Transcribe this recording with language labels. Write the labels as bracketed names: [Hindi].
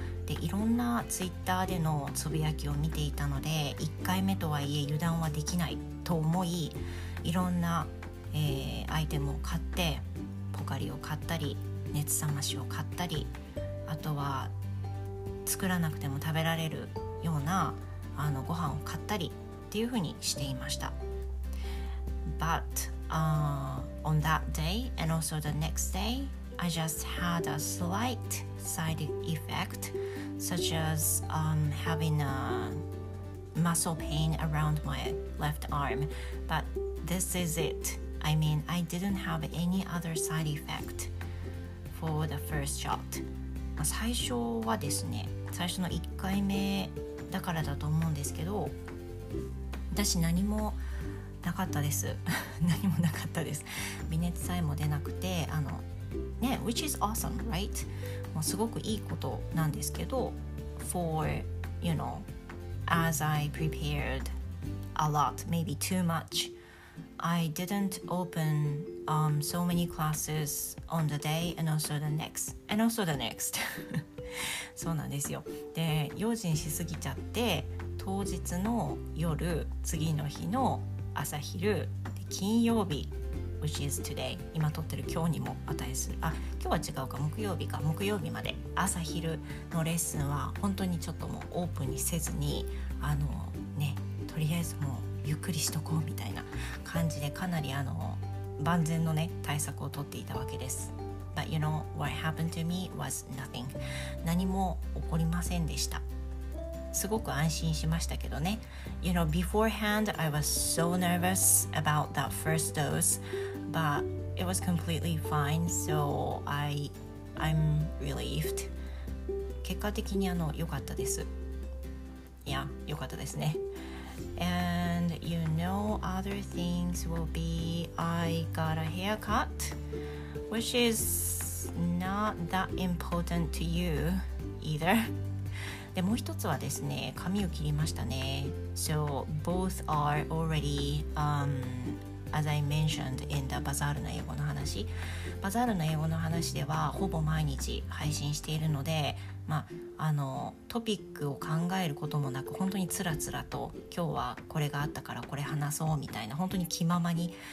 [Japanese] で、いろんなツイッターでのつぶやきを見ていたので、1回目とはいえ油断はできないと思い、いろんな、アイテムを買って、ポカリを買ったり、熱さましを買ったり、あとは作らなくても食べられるようなご飯を買ったりっていうふうにしていました。 [English] But on that day and also the next day I just had a slight side effect such as having a muscle pain around my left arm but this is it I mean I didn't have any other side effect for the first shot [Japanese] 最初はですね最初の1回目だからだと思うんですけど私何もなかったです何もなかったです微熱さえも出なくてね、 [English] which is awesome, right? [Japanese] もうすごくいいことなんですけど [English] for, you know, as I prepared a lot, maybe too much I didn't open so many classes on the day and also the next [Japanese] そうなんですよで、用心しすぎちゃって当日の夜、次の日の朝昼、金曜日 [English] which is today [Japanese] 今撮ってる今日にも値する今日は違うか、木曜日まで朝昼のレッスンは本当にちょっともうオープンにせずにね、とりあえずもうゆっくりしとこうみたいな感じでかなり万全のね、対策を取っていたわけです [English] But you know, what happened to me was nothing [Japanese] 何も起こりませんでしたすごく安心しましたけどね [English] You know, beforehand I was so nervous about that first dose But it was completely fine So I'm relieved [Japanese] 結果的に良かったですいや、良かったですね [English] And you know, other things will be I got a haircut Which is not that important to you either [Japanese] でもう一つはですね、髪を切りましたね。 [English] So both are already, as I mentioned in the Bazaar [Japanese] の英語の話。 Bazaar の英語の話ではほぼ毎日配信しているので、まあトピックを考えることもなく本当につらつらと今日はこれがあったからこれ話そうみたいな本当に気ままに